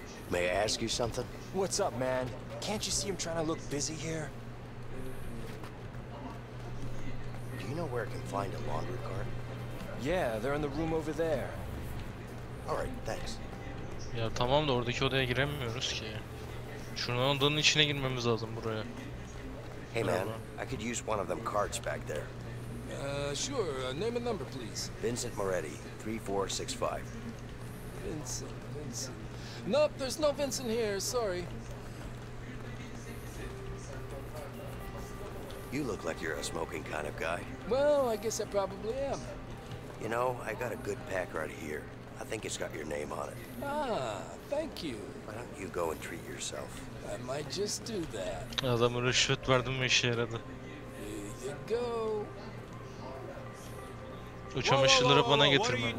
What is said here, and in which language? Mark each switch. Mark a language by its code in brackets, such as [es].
[en] May I ask you something? What's up, man? Can't you see I'm trying to look busy here? Do you know where I can find a laundry cart? Yeah, they're in the room over there. All right, thanks. [tr] Ya tamam da oradaki odaya giremiyoruz ki. Şunun odanın içine girmemiz lazım buraya. [en] Hey man, I could use one of them carts back there. Sure, name and number please. Vincent Moretti, 3465. Vincent. Nope, there's no Vincent here, sorry. You look like you're a smoking kind of guy. Well, I guess I probably am. You know, I got a good pack right here. I think it's got your name on it. Ah, thank you. Why don't you go and treat yourself? I might just do that. [tr] Adamı rüşvet verdim mi işe yaradı? [en] Here you go. [tr] O çamaşırları bana getirmem lazım.